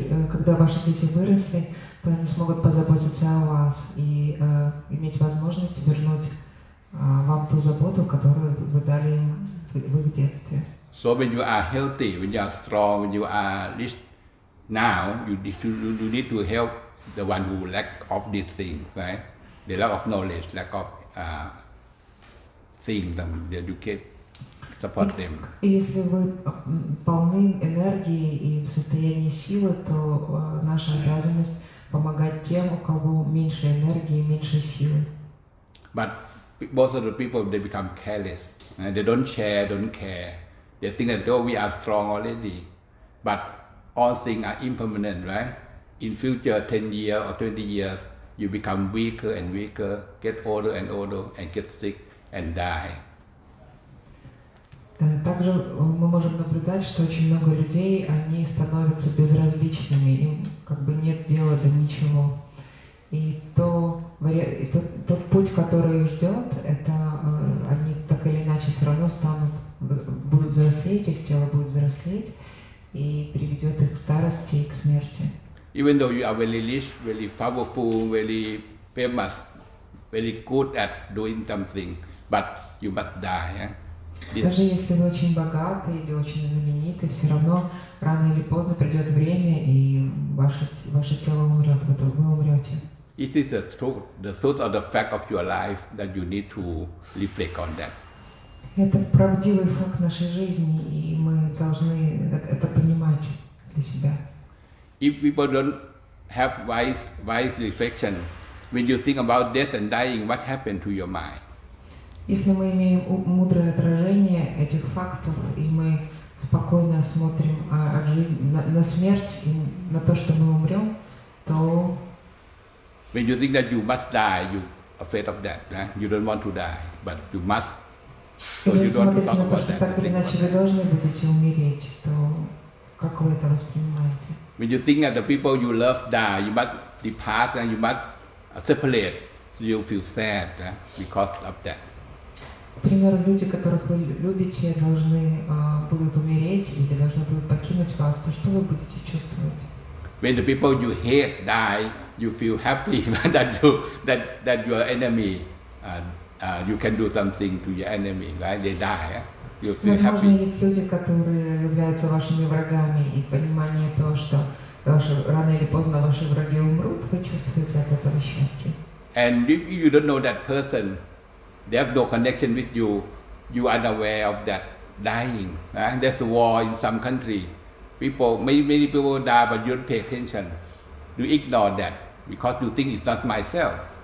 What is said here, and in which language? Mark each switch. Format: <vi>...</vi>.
<ru>Когда ваши дети выросли, то они смогут позаботиться о вас и иметь возможность вернуть вам ту заботу, которую вы дали им в их детстве.</ru> <en>So when you are healthy, when you are strong, when you are rich now, you need to help the one who lack of this thing, right? The lack of knowledge, lack of thing, the educate, support them.</en> <ru>И если вы полны энергии и в состоянии силы, то наша обязанность помогать тем, у кого меньше энергии, меньше силы.</ru> <en>But most of the people, they become careless. They don't share, don't care. They think that though we are strong already, but all things are impermanent, right? In future 10 years or 20 years, you become weaker and weaker, get older and older, and get sick and die.</en> <ru>Также мы можем наблюдать, что очень много людей, они становятся безразличными, им как бы нет дела до ничего. И тот путь, который их ждет, это они так или иначе все равно будут взрослеть, их тело будет взрослеть и приведет их к старости и к смерти.</ru> <en>Even though you are very rich, very powerful, very famous, very good at doing something, but you must die. Eh?</en> <ru>Даже если вы очень богаты или очень знамениты, все равно рано или поздно придет время, и ваше тело умрет, вы умрете.</ru> <en>It is the truth of the fact of your life that you need to reflect on that.</en> <ru>Это правдивый факт нашей жизни, и мы должны это понимать для себя.</ru> <en>If people don't have wise reflection, when you think about death and dying, what happened to your mind?</en> <ru>Если мы имеем мудрое отражение этих фактов, и мы спокойно смотрим на смерть и на то, что мы умрем, то...</ru> <en>When you think that you must die, you're afraid of that, right? You don't want to die, but you must. So you don't want to talk about that.</en> <ru>Так или иначе, вы должны будете умереть, то как вы это воспринимаете?</ru> <en>When you think that the people you love die, you must depart and you must separate, so you feel sad, right? Because of that.</en> <ru>К примеру, люди, которых вы любите, должны будут умереть или должны будут покинуть вас. То что вы будете чувствовать?</ru> <en>When the people you hate die, you feel happy that your enemy, you can do something to your enemy, right? They die, you feel happy.</en> <ru>Возможно, есть люди, которые являются вашими врагами, и понимание того, что рано или поздно ваши враги умрут, вы чувствуете от этого счастье.</ru> <en>And if you don't know that person, they have no connection with you, you are unaware of that dying. Right? There's a war in some country. Many people die, but you don't pay attention. You ignore that because you think it's not myself.</en>